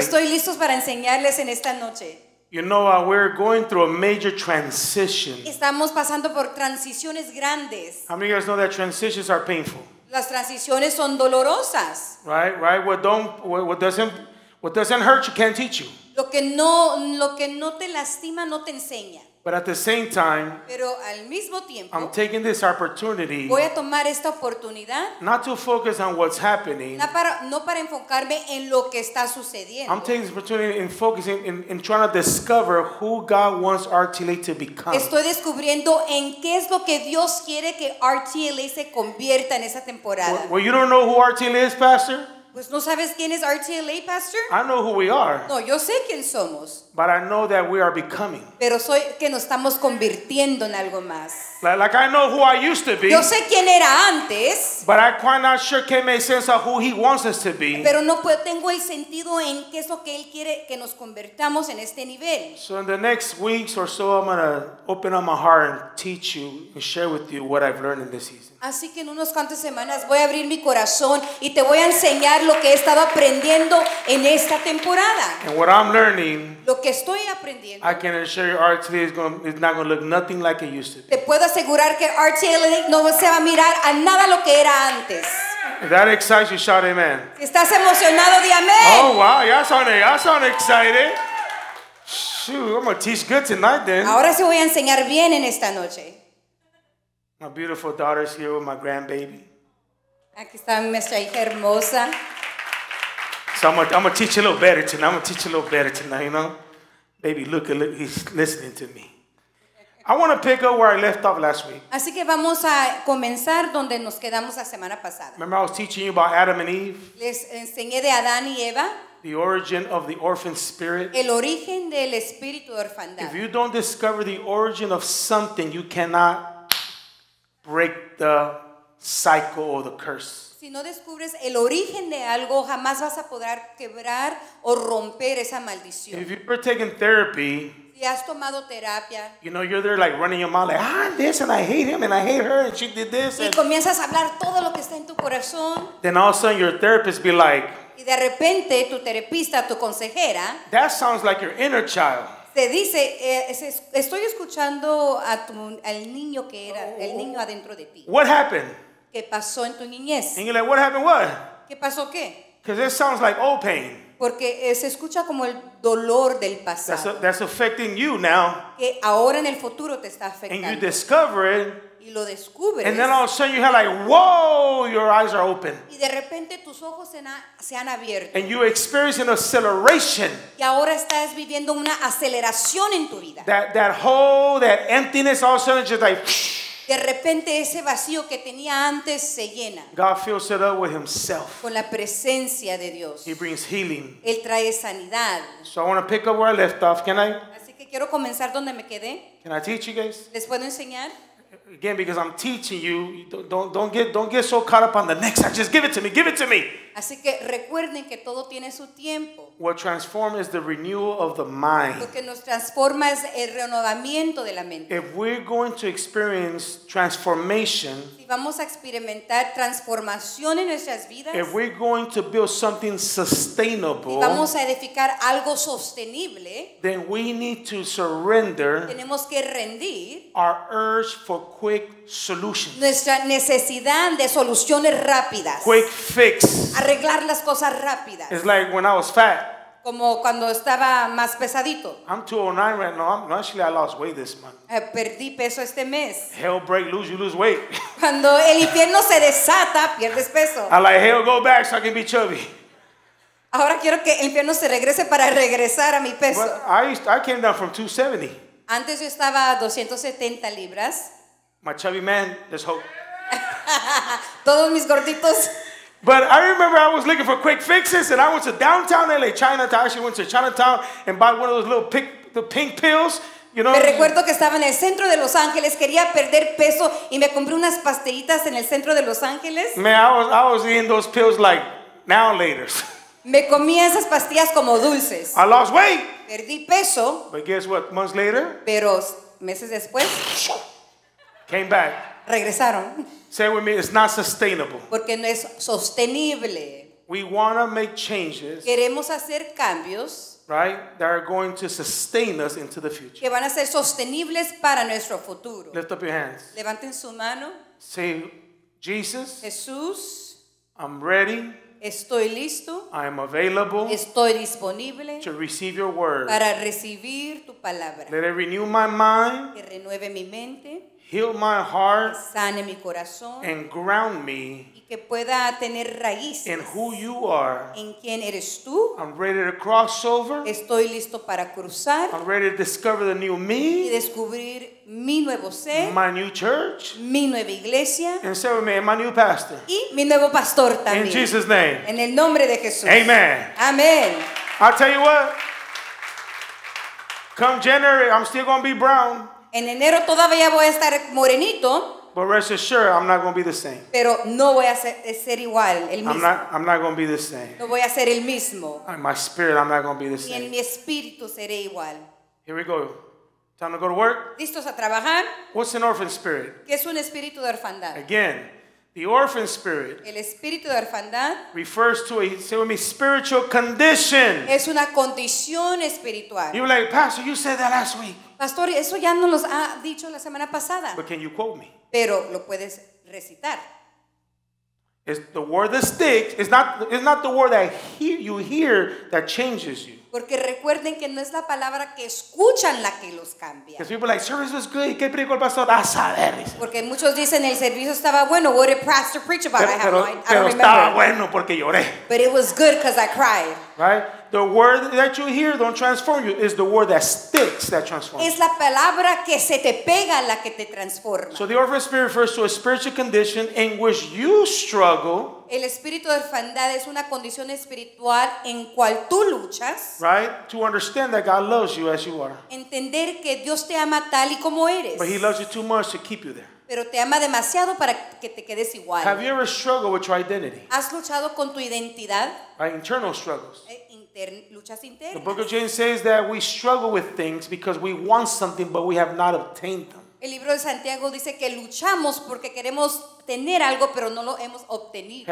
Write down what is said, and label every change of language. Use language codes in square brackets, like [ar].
[es] Estoy listos para enseñarles en esta noche. [en] You know, we're going through a major transition. [es] Estamos pasando por transiciones grandes. [en] How many of you guys know that transitions are painful? [es] Las transiciones son dolorosas. [en] Right, right. What doesn't hurt you can't teach you. [es] Lo que no te lastima no te enseña. [en] But at the same time, [es] pero al mismo tiempo, [en] I'm taking this opportunity, [es] voy a tomar esta oportunidad, [en] not to focus on what's happening, [es] no para enfocarme en lo que está sucediendo. [en] I'm taking this opportunity in focusing in trying to discover who God wants RTLA to become. [es] Estoy descubriendo en qué es lo que Dios quiere que RTLA se convierta en esa temporada. [en] Well, you don't know who RTLA is, Pastor? [es] Pues no sabes quién es RTLA, Pastor. [en] I know who we are. [es] No, yo sé quién somos. [en] But I know that we are becoming. [es] Pero soy que nos estamos convirtiendo en algo más. [en] Like I know who I used to be. [es] Yo sé quién era antes. [en] But I'm quite not sure can make sense of who He wants us to be. [es] Pero no puedo, tengo el sentido en qué es lo que Él quiere que nos convertamos en este nivel. [en] So in the next weeks or so, I'm going to open up my heart and teach you and share with you what I've learned in this season. [es] Así que en unos cuantas semanas voy a abrir mi corazón y te voy a enseñar lo que he estado aprendiendo en esta temporada. [en] And what I'm learning, [es] lo que estoy aprendiendo, [en] I can assure you RTLA is not going to look nothing like it used to be. [es] Te puedo asegurar que RTLA no se va a mirar a nada lo que era antes. [en] If that excites you, shout amen. [es] ¿Estás emocionado? Di amén. [en] Oh, wow. Y'all sound excited. Shoot, I'm going to teach good tonight then. [es] Ahora sí voy a enseñar bien en esta noche. [en] My beautiful daughter's here with my grandbaby. [es] Aquí está nuestra hija hermosa. [en] So I'm gonna teach you a little better tonight. I'm gonna teach you a little better tonight, you know? Baby, look, he's listening to me. I want to pick up where I left off last week. [es] Así que vamos a comenzar donde nos quedamos la semana pasada. [en] Remember, I was teaching you about Adam and Eve. [es] Les enseñé de Adán y Eva. [en] The origin of the orphan spirit. [es] El origen del espíritu de orfandad. [en] If you don't discover the origin of something, you cannot break the cycle or the curse. [es] Si no descubres el origen de algo, jamás vas a poder quebrar o romper esa maldición. [en] If you've ever taken therapy, [es] si has tomado terapia, [en] you know, you're there like running your mouth like, this and I hate him and I hate her and she did this. [es] Y comienzas a hablar todo lo que está en tu corazón. [en] Then all of a sudden your therapist be like, [es] y de repente tu terapista, tu consejera, [en] that sounds like your inner child. [es] Te dice, estoy escuchando a al niño que era, el niño adentro de ti. [en] What happened? [es] ¿Qué pasó en tu niñez? [en] And you're like, what happened, what? [es] ¿Qué pasó qué? [en] Because it sounds like old pain. [es] Porque se escucha como el dolor del pasado. [en] That's affecting you now. [es] Que ahora en el futuro te está afectando. [en] And you discover it. [es] Y lo descubres. [en] And then all of a sudden you have like, whoa, your eyes are open. [es] Y de repente tus ojos se han abierto. [en] And you experience an acceleration. [es] Y ahora estás viviendo una aceleración en tu vida. [en] That hole, that emptiness, all of a sudden just like, [es] de repente ese vacío que tenía antes se llena. [en] God fills it up with himself. [es] Con la presencia de Dios. [en] He brings healing. [es] Él trae sanidad. [en] So I want to pick up where I left off. Can I? [es] Así que quiero comenzar donde me quedé. [en] Can I teach you guys? [es] ¿Les puedo enseñar? [en] Again, because I'm teaching you, don't get so caught up on the next. Just give it to me. [es] Así que recuerden que todo tiene su tiempo. [en] What transforms is the renewal of the mind. [es] Lo que nos transforma es el renovamiento de la mente. [en] If we're going to experience transformation, [es] si vamos a experimentar transformación en nuestras vidas, [en] if we're going to build something sustainable, [es] si vamos a edificar algo sostenible, [en] then we need to surrender, [es] tenemos que rendir, [en] our urge for quick solutions. [es] Nuestra necesidad de soluciones rápidas. [en] Quick fix. [es] Arreglar las cosas rápidas. [en] It's like when I was fat. [es] Como cuando estaba más pesadito. [en] I'm 209 right now. No, actually, I lost weight this month. [es] Perdí peso este mes. [en] Hell break loose, you lose weight. [es] Cuando el infierno se desata, pierdes peso. [en] I like hell go back so I can be chubby. [es] Ahora quiero que el infierno se regrese para regresar a mi peso. [en] But I came down from 270. [es] Antes yo estaba a 270 libras. [en] My chubby man, there's hope. [es] Todos mis gorditos. [en] But I remember I was looking for quick fixes, and I went to downtown LA, Chinatown. I actually went to Chinatown and bought one of those little pink pills, you know. [es] Me recuerdo que estaba en el centro de Los Ángeles, quería perder peso, y me compré unas pastillitas en el centro de Los Ángeles. [en] Man, I was eating those pills like now later. [es] Me comía esas pastillas como dulces. [en] I lost weight. [es] Perdí peso. [en] But guess what? Months later. [es] Pero meses después. [en] Came back. [es] Regresaron. [en] Say it with me, it's not sustainable. [es] Porque no es sostenible. [en] We want to make changes. Queremos hacer cambios. Right? That are going to sustain us into the future. [es] Que van a ser sostenibles para nuestro futuro. [en] Lift up your hands. [es] Levanten su mano. [en] Say, Jesus. [es] Jesús. [en] I'm ready. [es] Estoy listo. [en] I am available. [es] Estoy disponible. [en] To receive your word. [es] Para recibir tu palabra. [en] Let it renew my mind. [es] Que renueve mi mente. [en] Heal my heart. [es] Que sane mi corazón. [en] And ground me. [es] Y que pueda tener raíces. [en] In who you are. [es] En quién eres tú. [en] I'm ready to cross over. [es] Estoy listo para cruzar. [en] I'm ready to discover the new me. [es] Y descubrir mi nuevo ser. [en] My new church. [es] Mi nueva iglesia. [en] And so with me, my new pastor. [es] Y mi nuevo pastor también. [en] In Jesus' name. [es] En el nombre de Jesús. [en] Amen. [es] Amen. [en] I'll tell you what. Come January, I'm still going to be brown. [es] En enero todavía voy a estar morenito. [en] But rest assured, I'm not going to be the same. [es] Pero no voy a ser igual, el mismo. [en] I'm not going to be the same. [es] No voy a ser el mismo. [en] In my spirit, I'm not going to be the same. [es] Y en mi espíritu seré igual. [en] Here we go. Time to go to work. [es] ¿Listos a trabajar? [en] What's an orphan spirit? [es] ¿Qué es un espíritu de orfandad? [en] Again, the orphan spirit. [es] El espíritu de orfandad. [en] Refers to a, say with me, spiritual condition. [es] Es una condición espiritual. [en] You're like, Pastor, you said that last week. [es] Pastor, eso ya no nos ha dicho la semana pasada. [en] But can you quote me? [es] Pero lo puedes recitar. [en] It's the word that sticks. It's not the word that you hear that changes you. [es] Porque recuerden que no es la palabra que escuchan la que los cambia. [en] Because people are like, service was good. [es] ¿Qué predicó el pastor? A saber. Porque muchos dicen el servicio estaba bueno. [en] What did pastor preach about? [es] Pero, [en] I have no idea. [es] Pero estaba bueno porque lloré. [en] But it was good because I cried. Right? The word that you hear don't transform you. It's the word that sticks that transforms. [es] Es la palabra que se te pega la que te transforma. [en] So the orphan spirit refers to a spiritual condition in which you struggle. [es] El espíritu de orfandad es una condición espiritual en cual tú luchas. [en] Right? To understand that God loves you as you are. [es] Entender que Dios te ama tal y como eres. [en] But he loves you too much to keep you there. [es] Pero te ama demasiado para que te quedes igual. [en] Have you ever struggled with your identity? [es] ¿Has luchado con tu identidad? [en] Right? Internal struggles. [es] Luchas internas. [en] The book of James says that we struggle with things because we want something but we have not obtained them. [es] El libro de Santiago dice que luchamos porque queremos tener algo pero no lo hemos obtenido.